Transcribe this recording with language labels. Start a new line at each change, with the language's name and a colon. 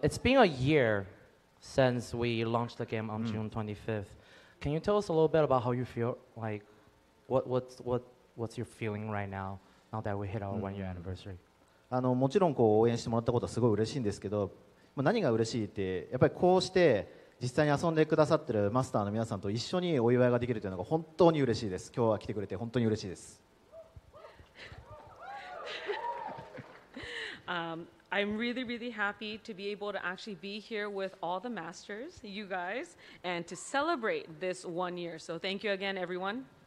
English: It's been a year since we launched the game on June 25th. Can you tell us a little bit about how you feel? Like, what's your feeling right now, now that we hit our one-year anniversary?
Japanese: もちろんこう応援してもらったことはすごい嬉しいんですけど、まあ、何が嬉しいって、やっぱりこうして実際に遊んでくださってるマスターの皆さんと一緒にお祝いができるというのが本当に嬉しいです。今日は来てくれて本当に嬉しいです。
English: I'm really, really happy to be able to actually be here with all the masters, you guys, and to celebrate this one year. So thank you again, everyone.